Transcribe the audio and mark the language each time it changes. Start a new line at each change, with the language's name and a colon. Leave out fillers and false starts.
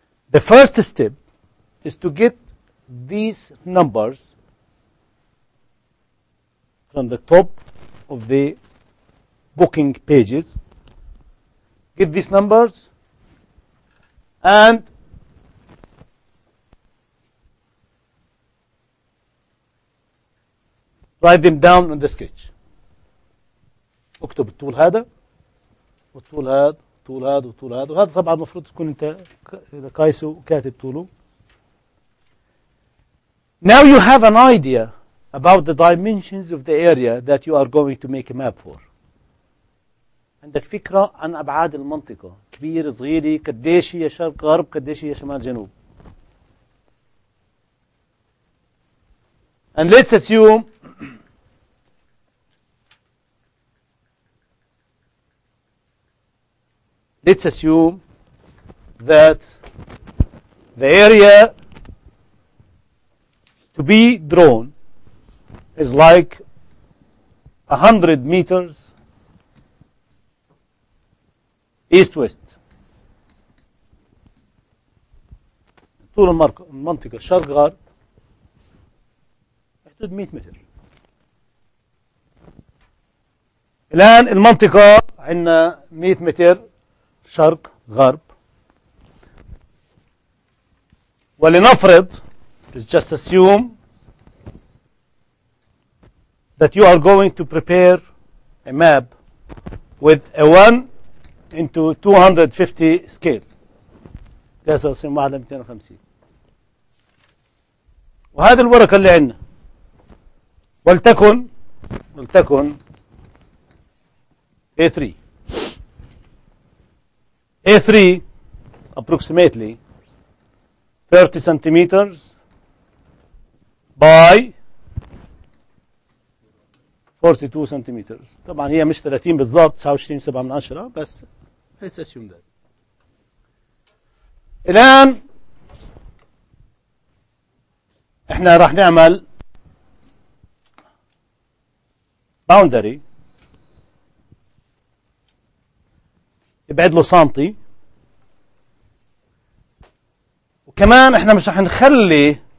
English: The first step is to get these numbers from the top of the booking pages. Get these numbers and write them down on the sketch.
Arabic: اكتب الطول هذا والطول هذا والطول هذا والطول هذا وهذا طبعا المفروض تكون انت قايسه وكاتب طوله.
English: Now you have an idea about the dimensions of the area that you are going to make a map for.
Arabic: عندك فكرة عن أبعاد المنطقة كبيرة صغيرة قديش هي شرق غرب قديش هي شمال جنوب.
English: And let's assume let's assume that the area to be drawn is like 100 meters east-west.
Arabic: طول المنطقة الشرق غرب حدود 100 متر. الآن المنطقة عندنا 100 متر شرق غرب ولنفرض
English: let's just assume that you are going to prepare a map with a 1 into 250 scale
Arabic: قياس رسم واحد 250 وهذه الورقة اللي عندنا ولتكن
English: A3 A3 approximately 30 centimeters by 42 centimeters.
Arabic: طبعا هي مش 30 بالضبط 29.7 بس
English: let's assume that.
Arabic: الآن احنا راح نعمل boundary يبعد له سنتي كمان احنا مش رح نخلي